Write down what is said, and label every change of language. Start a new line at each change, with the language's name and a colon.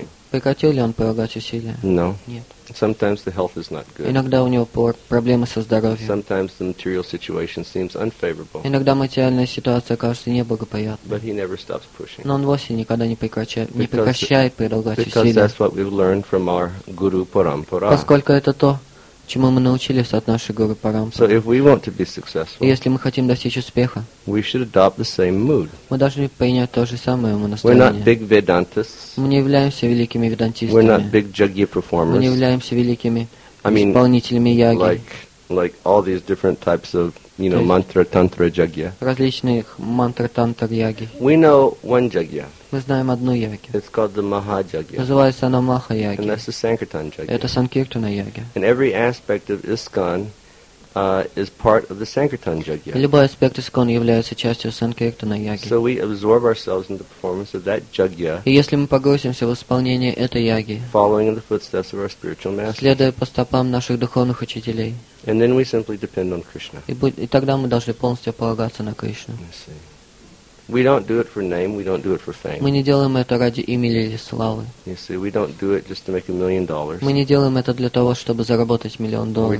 Russian: Прекратил ли он прилагать усилия? Нет.
English: Sometimes the health is not good.
Russian: Иногда у него проблемы со здоровьем.
English: Sometimes the material situation seems unfavorable.
Russian: Иногда материальная ситуация кажется неблагоприятной.
English: But he never stops pushing.
Russian: Но он вовсе никогда не прекращает прилагать усилия.
English: Because that's what we've learned from our Guru Parampara.
Russian: Поскольку это то, чему мы научились от нашей Гуру Парампары.
English: So if we want to be successful,
Russian: если мы хотим достичь успеха,
English: we should adopt the same mood.
Russian: Мы должны принять то же самое настроение.
English: We're not big Vedantists.
Russian: Мы не являемся великими ведантистами.
English: We're not big jagya performers.
Russian: Мы не являемся великими исполнителями яги.
English: Like all these different types of, you know, mantra, tantra, jagya.
Russian: Различных мантра, тантр, яги.
English: We know one jagya.
Russian: Мы знаем одну яги.
English: It's called the Mahajagya.
Russian: Называется она Маха-яги.
English: And that's the Sankirtan jagya.
Russian: Это Санкиртана яги.
English: And every aspect of ISKCON is part of the Sankirtan jagya.
Russian: Любой аспект ISKCON является частью Санкиртана яги.
English: So we absorb ourselves in the performance of that jagya.
Russian: И если мы погрузимся в исполнение этой яги,
English: following in the footsteps of our spiritual masters,
Russian: следуя по стопам наших духовных учителей,
English: and then we simply depend on Krishna.
Russian: И тогда мы должны полностью полагаться на Кришну.
English: We don't do it for name, we don't do it for fame.
Russian: Мы не делаем это ради имени или славы.
English: You see, we don't do it just to make $1,000,000.
Russian: Мы не делаем это для того, чтобы заработать $1,000,000.